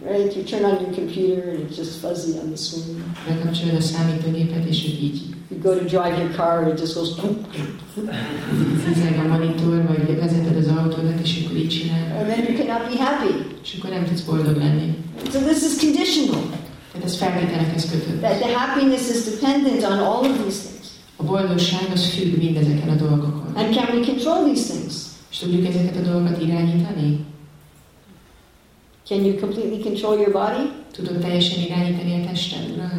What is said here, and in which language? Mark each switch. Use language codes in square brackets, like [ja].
[en] Right, you turn on your computer and it's just fuzzy on the screen. [hu] Bekapcsolod a számítógépet és így. [en] You go to drive your car and it just goes boom. [hu] Fizeg a monitor, vagy vezeted az autódat és akkor így csinál. [en] And then you cannot be happy. [hu] És akkor nem tudsz boldog lenni. [en] So this is conditional. [hu] Tehát ez feltételekhez kötött. [en] That the happiness is dependent on all of these things. [hu] A boldogság az függ mindezeken a dolgokon. [en] And can we control these things? [hu] És tudjuk ezeket a dolgokat irányítani? [en] Can you completely control your body? [hu] Tudod teljesen irányítani a testet?